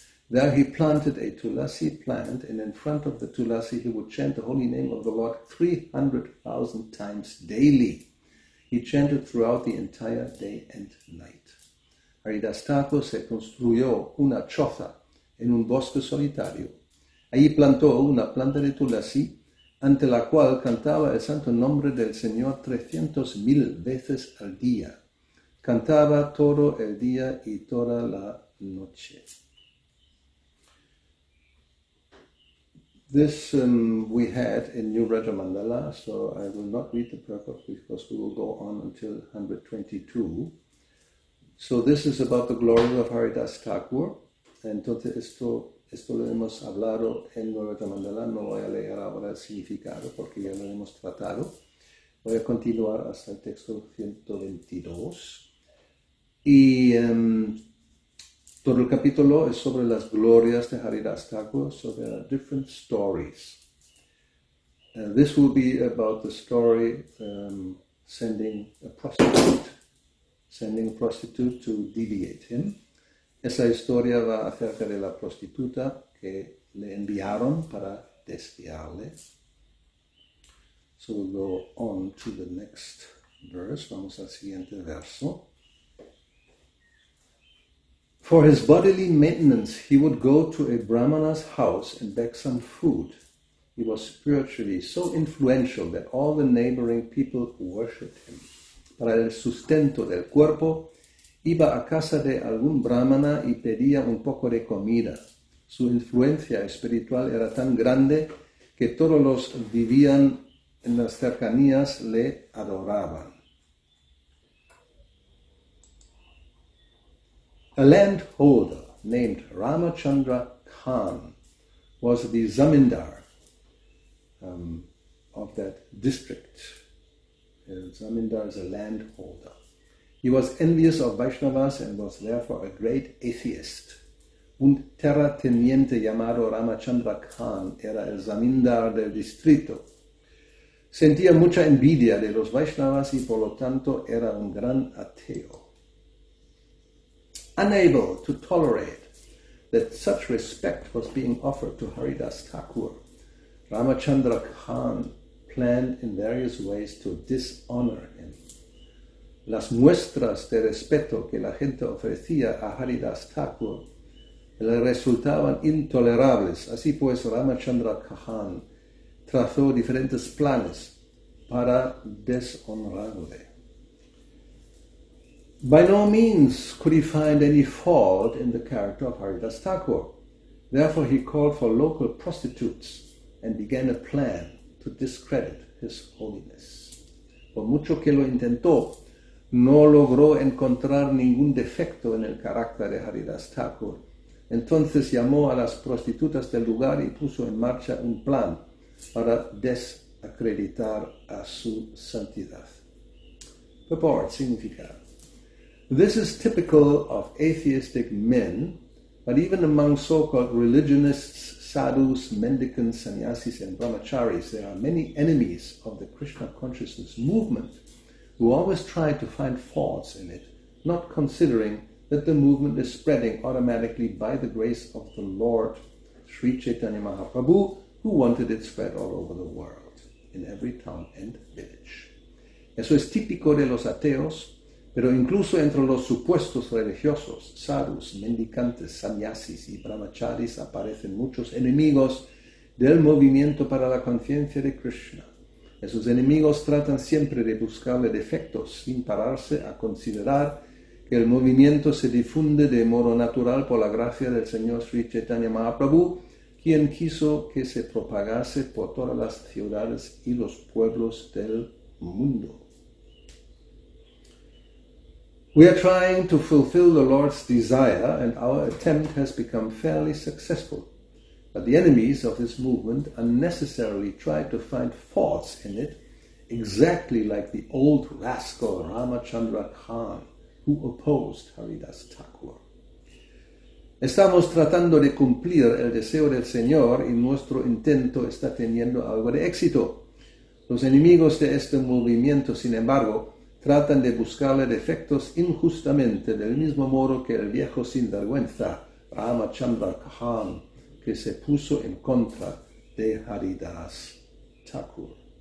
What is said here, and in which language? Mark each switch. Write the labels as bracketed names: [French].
[English] There he planted a tulasi plant, and in front of the tulasi he would chant the holy name of the Lord 300,000 times daily. He chanted throughout the entire day and night. [Spanish] Haridastato se construyó una choza en un bosque solitario. Allí plantó una planta de tulasi, ante la cual cantaba el santo nombre del Señor 300.000 veces al día. Cantaba todo el día y toda la noche. [English] This we had in New Rajamandala, so I will not read the purport because we will go on until 122. So this is about the glory of Haridas Thakur. [Spanish] Entonces esto lo hemos hablado en New Rajamandala. No voy a leer ahora el significado porque ya lo hemos tratado. Voy a continuar hasta el texto 122. Y todo el capítulo es sobre las glorias de Haridas Thakur, [English] so there are different stories. This will be about the story sending a prostitute to deviate him. [Spanish] Esa historia va acerca de la prostituta que le enviaron para desviarle. [English] So we'll go on to the next verse. [Spanish] Vamos al siguiente verso. [English] For his bodily maintenance, he would go to a brahmana's house and beg some food. He was spiritually so influential that all the neighboring people worshipped him. [Spanish] Para el sustento del cuerpo, iba a casa de algún brahmana y pedía un poco de comida. Su influencia espiritual era tan grande que todos los que vivían en las cercanías le adoraban. [English] A landholder named Ramachandra Khan was the zamindar of that district. A zamindar is a landholder. He was envious of Vaishnavas and was therefore a great atheist. [Spanish] Un terrateniente llamado Ramachandra Khan era el zamindar del distrito. Sentía mucha envidia de los Vaishnavas y por lo tanto era un gran ateo. [English] Unable to tolerate that such respect was being offered to Haridas Thakur, Ramachandra Khan planned in various ways to dishonor him. [Spanish] Las muestras de respeto que la gente ofrecía a Haridas Thakur le resultaban intolerables. Así pues, Ramachandra Khan trazó diferentes planes para deshonrarle. [English] By no means could he find any fault in the character of Haridas Thakur. Therefore, he called for local prostitutes and began a plan to discredit his holiness. [Spanish] Por mucho que lo intentó, no logró encontrar ningún defecto en el carácter de Haridas Thakur. Entonces llamó a las prostitutas del lugar y puso en marcha un plan para desacreditar a su santidad. [English] Purport, significado. This is typical of atheistic men, but even among so-called religionists, sadhus, mendicants, sannyasis, and brahmacharis, there are many enemies of the Krishna consciousness movement who always try to find faults in it, not considering that the movement is spreading automatically by the grace of the Lord Sri Chaitanya Mahaprabhu, who wanted it spread all over the world, in every town and village. [Spanish] Eso es típico de los ateos. Pero incluso entre los supuestos religiosos, sadhus, mendicantes, sannyasis y brahmacharis aparecen muchos enemigos del movimiento para la conciencia de Krishna. Esos enemigos tratan siempre de buscarle defectos sin pararse a considerar que el movimiento se difunde de modo natural por la gracia del Señor Sri Chaitanya Mahaprabhu, quien quiso que se propagase por todas las ciudades y los pueblos del mundo. [English] We are trying to fulfill the Lord's desire, and our attempt has become fairly successful. But the enemies of this movement unnecessarily try to find faults in it, exactly like the old rascal Ramachandra Khan, who opposed Haridas Thakur. [Spanish] Estamos tratando de cumplir el deseo del Señor, y nuestro intento está teniendo algo de éxito. Los enemigos de este movimiento, sin embargo, tratan de buscarle defectos injustamente, del mismo modo que el viejo sinvergüenza Ramachandra Khan, que se puso en contra de Haridas Thakur.